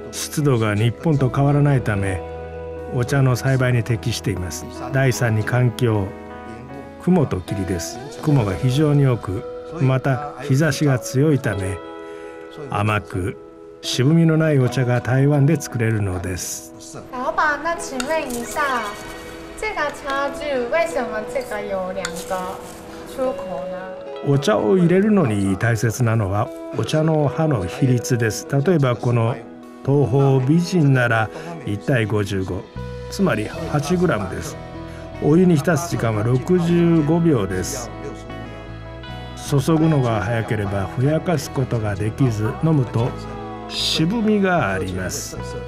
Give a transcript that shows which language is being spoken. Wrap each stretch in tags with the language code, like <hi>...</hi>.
<ja>湿度が日本と変わらないためお茶の栽培に適しています。第三に環境、雲と霧です。雲が非常に多く、また日差しが強いため甘く渋みのないお茶が台湾で作れるのです。</ja> <zh>老板、那请问一下这个茶具为什么这个有两个出口呢？</zh> <ja>お茶を入れるのに大切なのはお茶の葉の比率です。例えばこの東方美人なら1:55、つまり 8g です。お湯に浸す時間は65秒です。注ぐのが早ければふやかすことができず、飲むと渋みがあります。</ja>